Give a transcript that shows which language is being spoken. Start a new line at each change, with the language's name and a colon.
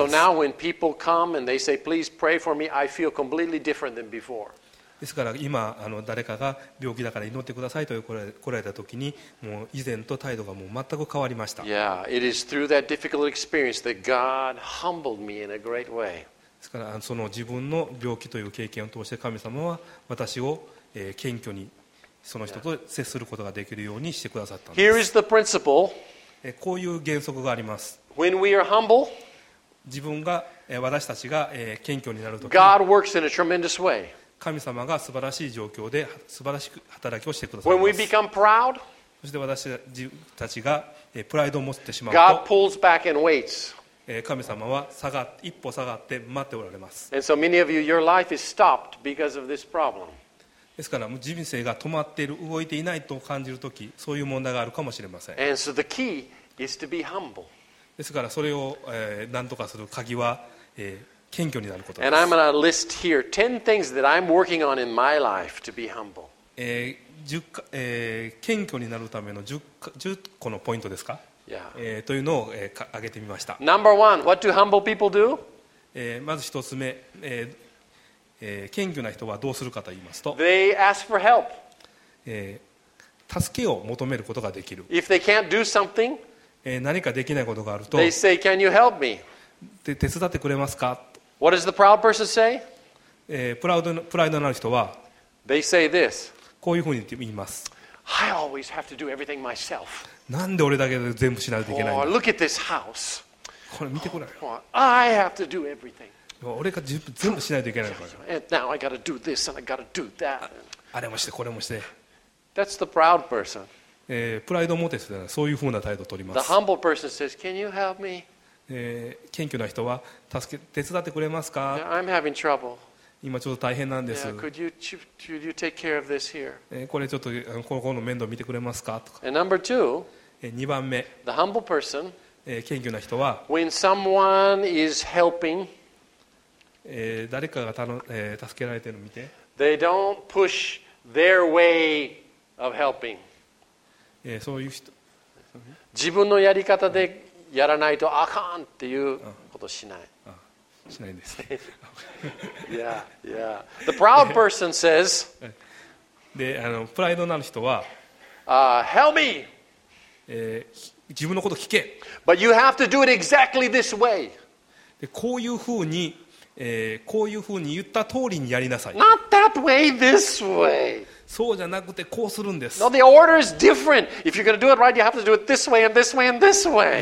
English: And so now when people come and they say, please pray for me, I feel completely different than before.
Japanese: ですから今あの誰かが病気だから祈ってくださいと来られた時にもう以前と態度がもう全く変わりました。
English: Yeah, it is through that difficult experience that God humbled me in a great way.
Japanese: ですからその自分の病気という経験を通して神様は私を、謙虚にその人と接することができるようにしてくださったんです。
English: Here is the principle.
Japanese: こういう原則があります。
English: When we are humble,
Japanese: 自分が私たちが、謙虚になるとき
English: God works in a tremendous way.
Japanese: 神様が素晴らしい状況で素晴らしく働きをしてくださいます。
English: Proud,
Japanese: そして私たちがプライドを持ってしまうと、
English: God pulls back and waits.
Japanese: 神様は下が一歩下がって待っておられます。
English: And so many of you, your life is stopped because of this problem.
Japanese: ですから人生が止まっている、動いていないと感じるとき、そういう問題があるかもしれません。
English: And so the key is to be humble.
Japanese: ですからそれを、何とかする鍵は、謙虚になることです。
English: And I'm going to list here 10 things that I'm working on in my life to be humble.
Japanese: 謙虚になるための10個のポイントですか？
English: Yeah.
Japanese: というのを、挙げてみました。
English: Number one, what do humble people do?
Japanese: まず一つ目、謙虚な人はどうするかと言いますと、
English: They ask for help.
Japanese: 助けを求めることができる。
English: If they can't do something,
Japanese: 何かできないことがあると、
English: They say, "Can you help me?"
Japanese: 手伝ってくれますか？
English: What does the proud person say?
Japanese: プライドのある人は、
English: They say this.
Japanese: こういうふうに言います。
English: I always have to do everything myself.
Japanese: なんで俺だけで全部しないといけないの？
English: Oh, look at this house.
Japanese: これ見てごらん。
English: I have to do everything.
Japanese: 俺が全部しないといけないのか。
English: And now I gotta do this and I gotta do that.
Japanese: あれもして、これもして。
English: That's the proud person.
Japanese: プライドを持てて、そういうふうな態度を取ります。
English: The humble person says, Can you help me?
Japanese: 謙虚な人は手伝ってくれますか？
English: I'm having trouble.
Japanese: 今ちょっと大変なんです。これちょっとここの面倒見てくれますか？とか。
English: And number two,
Japanese: 2番目。
English: The humble person,
Japanese: 謙虚な人は、
English: When someone is helping,
Japanese: 誰かが助けられてるのを見て、
English: They don't push their way of helping.
Japanese: そういう人。自分のやり方で、うん、やらないとあかんっていうことしない。しないんです。
English: yeah, yeah. The proud person says,
Japanese: で、プライドのある人は、
English: help me!
Japanese: 自分のこと聞け。
English: But you have to do it exactly this way.
Japanese: で、こういうふうに、こういうふうに言った通りにやりなさい。
English: Not that way, this way.
Japanese: そうじゃなくてこうするんです。
English: No, the order is different. If you're going to do it right, you have to do it this way and this way and this way.